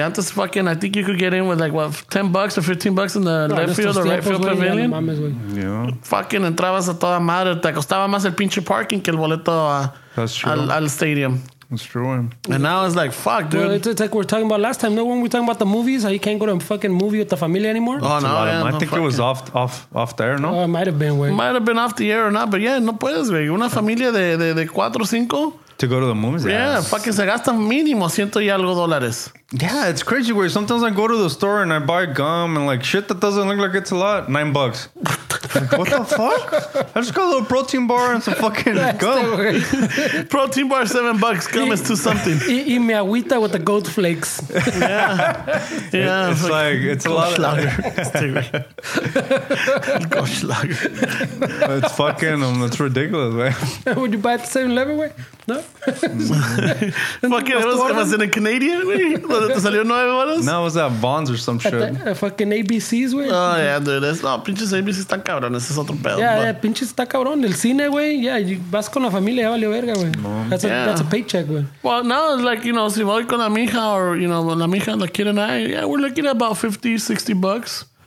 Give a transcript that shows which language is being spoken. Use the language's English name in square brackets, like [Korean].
[English] Antes fucking, I think you could get in with like, what, $10 or $15 in the left field or right field pavilion. Yeah. [Spanish] Fucking entrabas a toda madre. Te costaba más el pinche parking que el boleto al stadium. [English] That's true. And now it's like, fuck, dude. Well, it's like we're talking about last time. No, when we're talking about the movies, how you can't go to a fucking movie with the family anymore? Oh, no. I think it was off the air, no? Oh, it might have been, wait. Might have been off the air or not, but yeah, [Spanish] no puedes, güey. Una familia de cuatro o cinco. [English] To go to the movies? [Spanish] Yeah, fucking se gastan mínimo ciento y algo dólares. [English] Yeah, it's crazy, where sometimes I go to the store and I buy gum and like shit that doesn't look like it's a lot. $9. Like, what the fuck? I just got a little protein bar and some fucking gum. Protein bar, $7. Gum is $2-something. [Spanish] Y mi agüita [English] with the goat flakes. Yeah. It's like, it's a lot of... Goldschlager. It's fucking, it's ridiculous, man. Would you buy it the 7-Eleven way? No? Fucking, it was in a Canadian way? No, it was at Vons or some shit. Fucking ABCs, güey. Oh, yeah, dude. [Spanish] No, pinches ABCs están cabrones. Es otro pedo. Yeah, pinches está cabrón. El cine, güey. Yeah, vas con la familia, ya valió verga, güey. [English] That's a paycheck, güey. Well, now it's like, you know, [Spanish] si voy con la mija [English] or, you know, la mija, the kid and I, yeah, we're looking at about $50-$60.